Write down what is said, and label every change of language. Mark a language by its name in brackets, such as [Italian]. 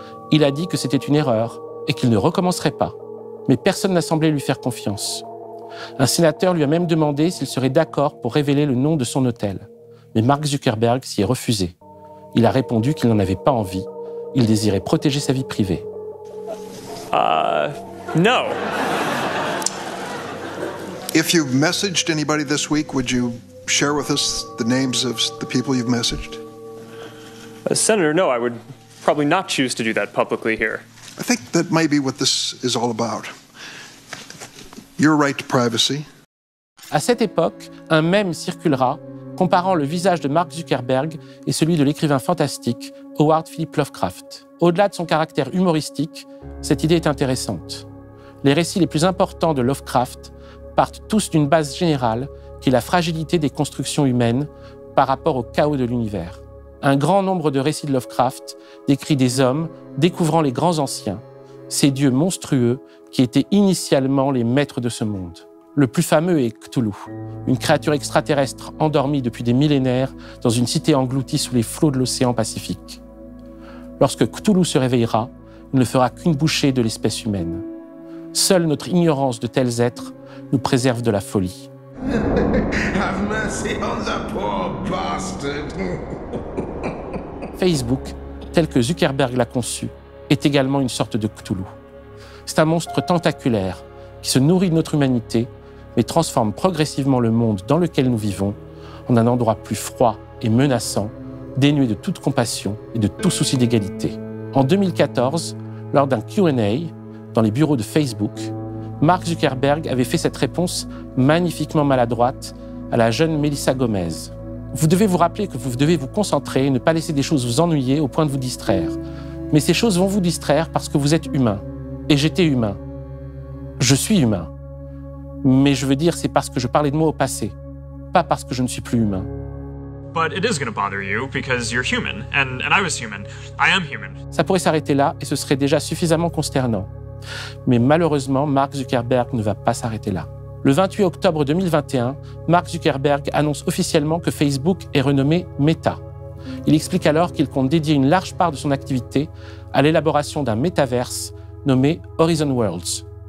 [French] Il a dit que c'était une erreur et qu'il ne recommencerait pas. Mais personne n'a semblé lui faire confiance. Un sénateur lui a même demandé s'il serait d'accord pour révéler le nom de son hôtel. Mais Mark Zuckerberg s'y est refusé. Il a répondu qu'il n'en avait pas envie. Il désirait protéger sa vie privée. [English] No. If you've messaged anybody this week, would you share with us the names of the people you've messaged? Senator, no, I would probably not choose to do that publicly here. I think that might be what this is all about. Your right to privacy. [French] À cette époque, un mème circulera comparant le visage de Mark Zuckerberg et celui de l'écrivain fantastique Howard Philip Lovecraft. Au-delà de son caractère humoristique, cette idée est intéressante. Les récits les plus importants de Lovecraft partent tous d'une base générale qui est la fragilité des constructions humaines par rapport au chaos de l'univers. Un grand nombre de récits de Lovecraft décrit des hommes découvrant les grands anciens, ces dieux monstrueux qui étaient initialement les maîtres de ce monde. Le plus fameux est Cthulhu, une créature extraterrestre endormie depuis des millénaires dans une cité engloutie sous les flots de l'océan Pacifique. Lorsque Cthulhu se réveillera, il ne fera qu'une bouchée de l'espèce humaine. Seule notre ignorance de tels êtres nous préserve de la folie. [English] Have mercy on the poor bastard. [French] Facebook, tel que Zuckerberg l'a conçu, est également une sorte de Cthulhu. C'est un monstre tentaculaire qui se nourrit de notre humanité mais transforme progressivement le monde dans lequel nous vivons en un endroit plus froid et menaçant, dénué de toute compassion et de tout souci d'égalité. En 2014, lors d'un Q&A dans les bureaux de Facebook, Mark Zuckerberg avait fait cette réponse magnifiquement maladroite à la jeune Melissa Gomez. « Vous devez vous rappeler que vous devez vous concentrer et ne pas laisser des choses vous ennuyer au point de vous distraire. Mais ces choses vont vous distraire parce que vous êtes humain. Et j'étais humain. Je suis humain. Mais je veux dire, c'est parce que je parlais de moi au passé, pas parce que je ne suis plus humain. » [English] But it is going to bother you because you're human, and I was human. I am human. [French] Ça pourrait s'arrêter là et ce serait déjà suffisamment consternant. Mais malheureusement, Mark Zuckerberg ne va pas s'arrêter là. Le 28 octobre 2021, Mark Zuckerberg annonce officiellement que Facebook est renommé Meta. Il explique alors qu'il compte dédier une large part de son activité à l'élaboration d'un métaverse nommé Horizon Worlds.